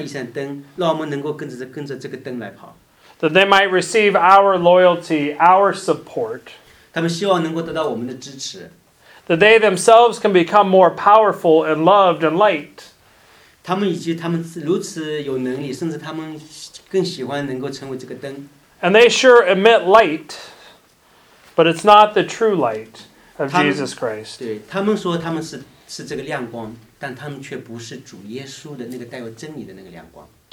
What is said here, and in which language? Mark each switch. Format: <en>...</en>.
<zh>有时候有些人会给我们看很漂亮一盏灯，让我们能够跟着这个灯来跑。</zh> <en>That they might receive our loyalty, our support.</en> <zh>他们希望能够得到我们的支持。</zh> <en>That they themselves can become more powerful and loved and light.</en> <zh>他们以及他们如此有能力，甚至他们更喜欢能够成为这个灯。</zh> <en>And they sure emit light, but it's not the true light of Jesus Christ.</en> <zh>对，他们说他们是这个亮光，但他们却不是主耶稣的那个带有真理的那个亮光。</zh>